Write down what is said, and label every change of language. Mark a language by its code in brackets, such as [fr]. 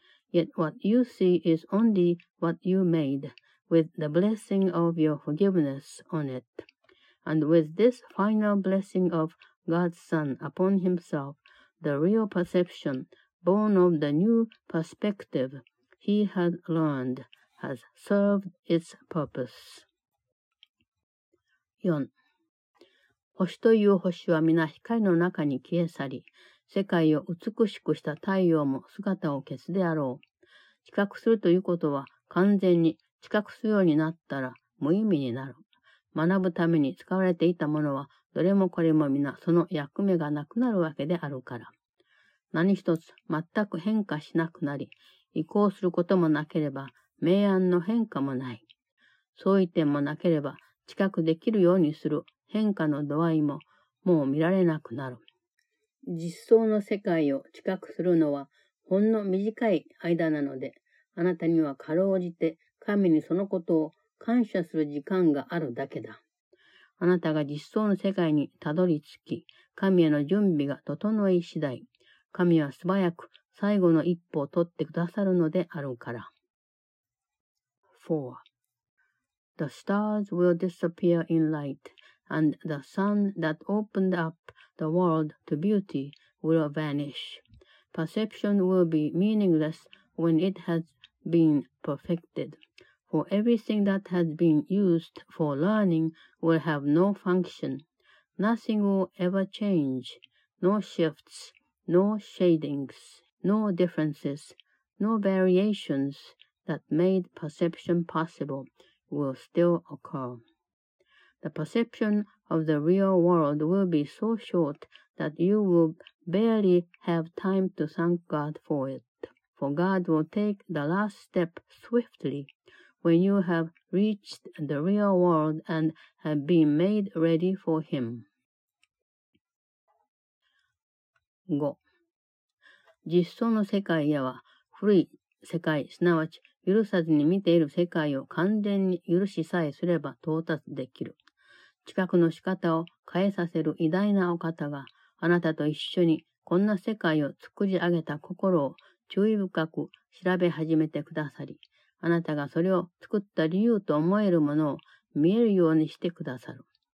[en] Yet what you see is only what you made, with the blessing of your forgiveness on it. And with this final blessing of God's Son upon himself, the real perception, born of the new perspective he had learned, has served its purpose. 4. [ja] 星という星は皆光の中に消え去り、世界を美しくした太陽も姿を消すであろう。知覚するということは完全に知覚するようになったら無意味になる。学ぶために使われていたものはどれもこれも皆その役目がなくなるわけであるから。何一つ全く変化しなくなり、移行することもなければ明暗の変化もない。相違点もなければ知覚できるようにする変化の度合いももう見られなくなる。実相の世界を知覚するのはほんの短い間なので、あなたにはかろうじて神にそのことを感謝する時間があるだけだ。あなたが実相の世界にたどり着き、神への準備が整い次第、神は素早く最後の一歩を取ってくださるのであるから。 4. [en] The stars will disappear in light, and the sun that opened up the world to beauty will vanish. Perception will be meaningless when it has been perfected, for everything that has been used for learning will have no function. Nothing will ever change, no shifts, no shadings, no differences, no variations that made perception possible will still occur. The perception of the real world will be so short that you will barely have time to thank God for it. For God will take the last step swiftly when you have reached the real world and have been made ready for Him. 5. [ja] 実相の世界へは、古い世界、すなわち許さずに見ている世界を完全に許しさえすれば到達できる。知覚の仕方を変えさせる偉大なお方が、あなたと一緒にこんな世界を作り上げた心を注意深く調べ始めてくださり、あなたがそれを作った理由と思えるものを見えるようにしてくださる。